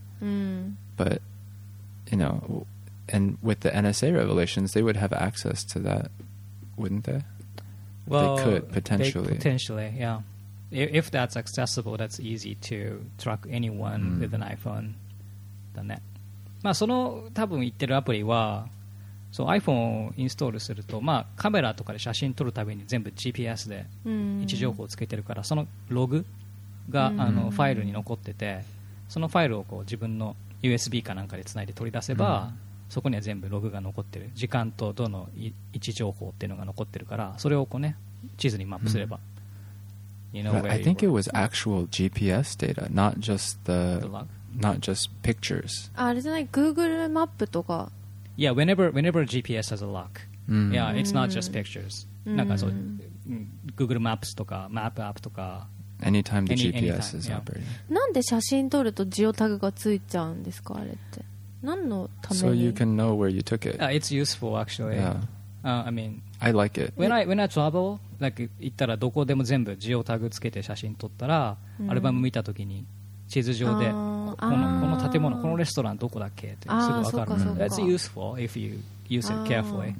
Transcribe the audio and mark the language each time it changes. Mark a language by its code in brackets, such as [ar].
[en] Mm. But, you know... And with the NSA revelations, they would have access to that, wouldn't they? Well, they could, potentially. Potentially, yeah. If that's accessible, that's easy to track anyone、mm. with an iPhone. [ja] だね。まあ、その多分言ってるアプリは、そう、iPhone をインストールすると、まあ、カメラとかで写真撮るたびに全部 GPS で位置情報をつけてるから、そのログが、mm. あのファイルに残ってて、そのファイルをこう自分の USB かなんかでつないで取り出せば、mm. そこには全部ログが残ってる時間とどの位置情報っていうのが残ってるからそれをこうね地図にマップすれば、 [en] mm. you know where I think it was actual GPS data not just the log not just pictures [ja] あれじゃない Google マップとか [en] yeah whenever GPS has a log、 mm. yeah it's not just pictures、mm. [ja] なんかそう Google Maps とか Map App とか [en] anytime the GPS is operating、 [ja] yeah. なんで写真撮るとジオタグがついちゃうんですかあれって何のために? [en] So you can know where you took it. It's useful, actually. Yeah. I mean, I like it. When I travel, like, [ja] 行ったらどこでも全部ジオタグつけて写真撮ったら、mm. アルバム見たときに地図上で、この建物、このレストランどこだっけってすぐ分かる。 [en] That's useful if you use it carefully.、